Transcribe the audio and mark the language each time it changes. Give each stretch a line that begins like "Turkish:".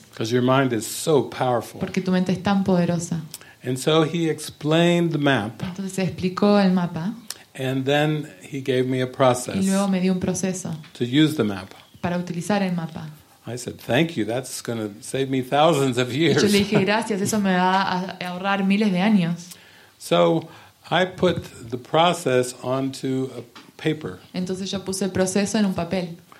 English: Because your mind is so powerful.
Spanish: Porque tu mente es tan poderosa.
English: And so he explained the map.
Spanish: Entonces explicó el mapa.
English: And then he gave me a process.
Spanish: Y luego me dio un proceso.
English: To use the map.
Spanish: Para utilizar el mapa.
English: I said, "Thank you. That's going to save me thousands of years."
Spanish: Y yo le dije, "Gracias, eso me va a ahorrar miles de años."
English: So, I put the process onto a paper.
Spanish: Entonces yo puse el proceso en un papel.